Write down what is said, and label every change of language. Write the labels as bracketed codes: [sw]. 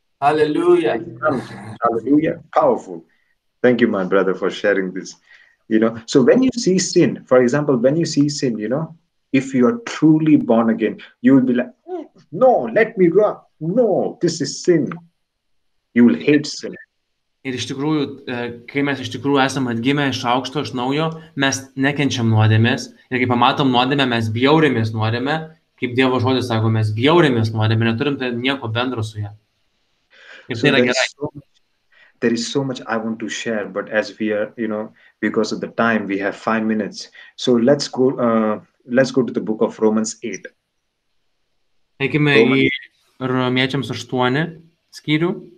[en] Hallelujah. Hallelujah. Powerful. Thank you, my brother, for sharing this. You know, so when you see sin, for example, when you see sin, you know, if you are truly born again, you will be like, no, let me run. No, this is sin. You will hate sin. [lt] Ir iš tikrųjų, kai mes iš tikrųjų esam atgimę iš aukšto, iš naujo, mes nekenčiam nuodėmės. Ir kai pamatom nuodėmę, mes bjaurėmės nuodėmę. Kaip Dievo žodis sako, mes bjaurėmės nuodėmę, neturim tai nieko bendro su ją. Ir tai yra gerai. [en] There is so much I want to share, but as we are, you know, because of the time, we have 5 minutes. So let's go to the book of Romans 8. [lt] Eikime į Romiečiams 8 skyrių.